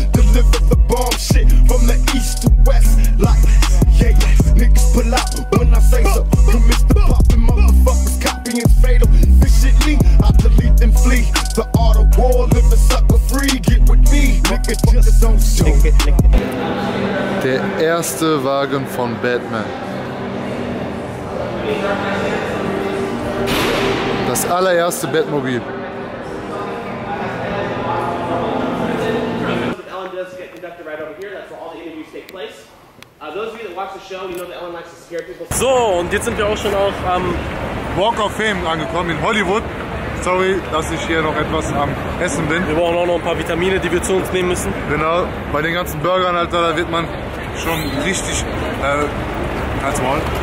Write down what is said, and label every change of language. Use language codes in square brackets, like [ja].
[en] Deliver the bomb shit from the east to west. Like, yeah, yeah. Niggas pull out when I say so. From Mr. Poppin', motherfuckers copying fatal. Efficiently, I delete and flee. The art of war, live the sucker free. Get with me, nigga, just don't show. [de] Der erste Wagen von Batman. Das allererste Batmobil. [en] Ellen does get conducted right over here. That's where all the interviews take place. Those of you that watch the show, you know that Ellen likes to scare people. [de] So, und jetzt sind wir auch schon auf Walk of Fame angekommen in Hollywood. Sorry, dass ich hier noch etwas am Essen bin. Wir brauchen auch noch ein paar Vitamine, die wir zu uns nehmen müssen. Genau, bei den ganzen Burgern, Alter, da wird man schon richtig. Halt's mal.